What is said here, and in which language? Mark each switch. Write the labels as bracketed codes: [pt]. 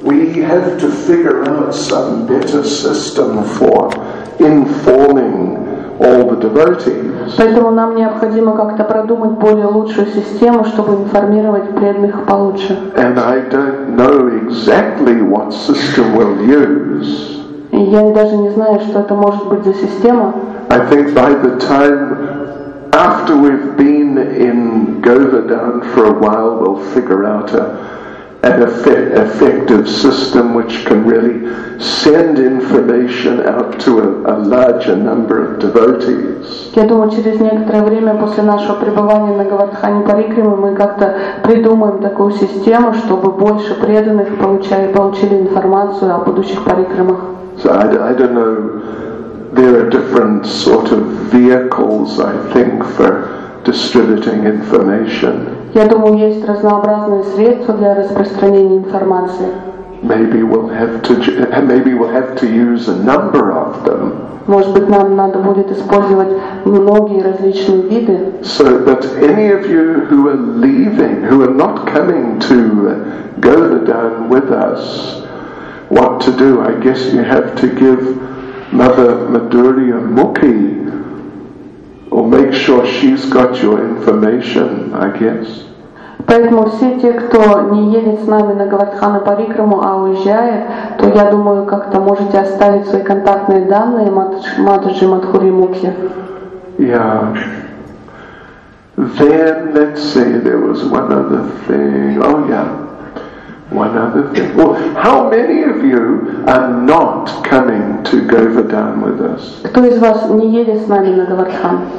[en] have to figure out some better system for informing all the devotees. [ru] Поэтому нам необходимо как-то продумать более лучшую систему, чтобы информировать преданных получше. [en] And I don't know exactly what system we'll use. [ru] И я даже не знаю, что это может быть за система. [en] I think by the time after we've been in Govardhan for a while, we'll figure out an effective system which can really send information out to a larger number of devotees. [ru] Я думаю, через некоторое время после нашего пребывания на Говардхане Парикрима мы как-то придумаем такую систему, чтобы больше преданных получили информацию о будущих парикримах. [en] So I don't know, there are different sort of vehicles, I think, for distributing information. [ru] Я думаю, есть разнообразные средства для распространения информации. [en] Maybe we'll have to use a number of them. [ru] Может быть, нам надо будет использовать многие различные виды. [en] So, but any of you who are leaving, who are not coming to Govardhan with us, what to do? I guess you have to give Mother Madhurya Mukhi, or make sure she's got your information, I guess. [ru] Поэтому все те, кто не едет с нами на Говардхану Парикраму, а уезжает, то я думаю, как-то можете оставить свои контактные данные Матаджи Мадхури Мукхи. [en] Yeah. Then, let's see, there was one other thing. Oh, yeah. One other thing. Well, how many of you are not coming to Govardhan with us? [ru] Кто из вас не едет с нами на Говардхан?